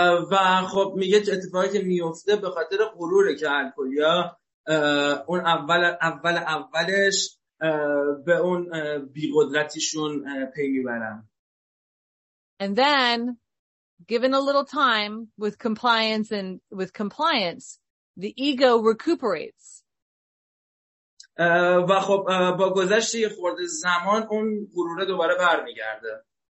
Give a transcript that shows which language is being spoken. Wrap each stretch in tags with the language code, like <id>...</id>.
<fa>و خب میگه چه اتفاقی که میفته به خاطر غروره که الکلیا اون اولش به اون بیقدرتیشون پی میبرن.</fa> <en>And then given a little time with compliance and with compliance the ego recuperates.</en> <fa>و خب با گذشت یه خورده زمان اون غروره دوباره برمیگرده.</fa>